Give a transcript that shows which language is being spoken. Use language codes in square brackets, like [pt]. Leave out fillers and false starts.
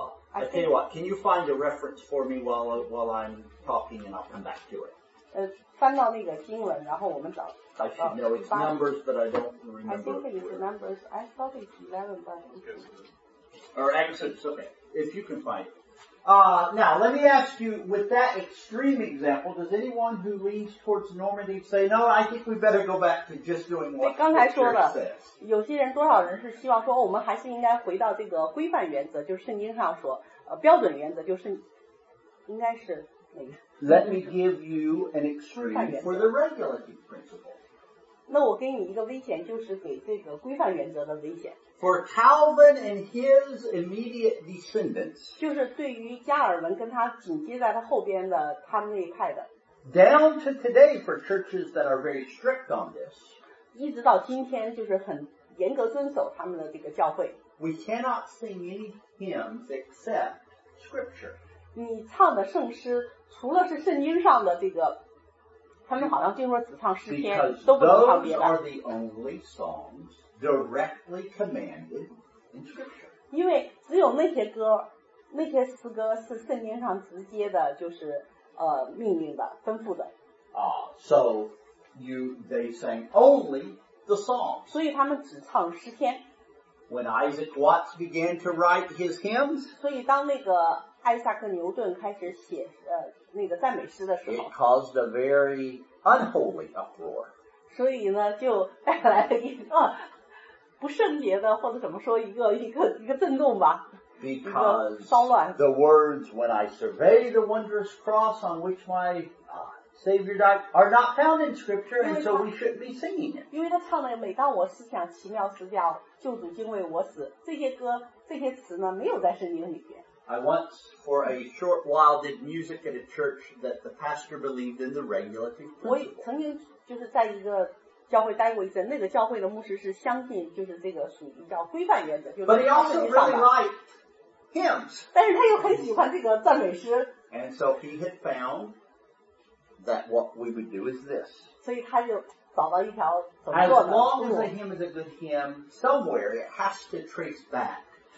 [en] I tell you what, can you find a reference for me while I'm talking and I'll come back to it? [zh] 翻到那个经文，然后我们找。 [en] I should know it's Numbers, but I don't remember. I think it is Numbers. I thought it's 11, but. Or Exodus, okay. If you can find it. Now, let me ask you, with that extreme example, does anyone who leans towards normative say, no, I think we better go back to just doing what the church says? [zh] 有些人多少人是希望说、哦、我们还是应该回到这个规范原则就是圣经上说标准原则就是应该是、那个、 [en] Let me give you an extreme for the regulative principle. [zh] 那我给你一个危险就是给这个规范原则的危险。 [en] For Calvin and his immediate descendants, [zh] 就是对于加尔文跟他紧接在他后边的他们那一派的 [en] down to today for churches that are very strict on this, [zh] 一直到今天就是很严格遵守他们的这个教会 [en] we cannot sing any hymns except scripture. [zh] 你唱的圣诗除了是圣经上的这个他们好像听说只唱诗篇都不能唱别的 [en] Those are the only songs. Directly commanded in scripture. [zh] 因为只有那些歌那些诗歌是圣经上直接的就是命令的吩咐的。 [en] So they sang only the song. [zh] 所以他们只唱诗篇。 [en] When Isaac Watts began to write his hymns, [zh] 所以当那个艾萨克牛顿开始写那个赞美诗的时候 [en] it caused a very unholy uproar. [zh] 所以呢就带来了一个不圣洁的或者怎么说一个震动吧 [en] Because [zh] 骚乱 [en] the words when I survey the wondrous cross on which my Savior died are not found in scripture, and so we shouldn't be singing it. [zh] 因为他唱的每当我思想奇妙之教救主竟为我死这些歌这些词呢没有在圣经里边。 [en] I once for a short while did music at a church that the pastor believed in the regulative principle. [zh] 我曾经就是在一个教会待过一阵那个教会的牧师是相信就是这个属于叫规范原则。 [en] But he also really liked hymns. [zh] 但是他又很喜欢这个赞美诗。 [en] And so he had found that what we would do is this. [zh] 所以他就找到一条怎么做的。 [en] As long as a hymn is a good hymn, somewhere it has to trace back.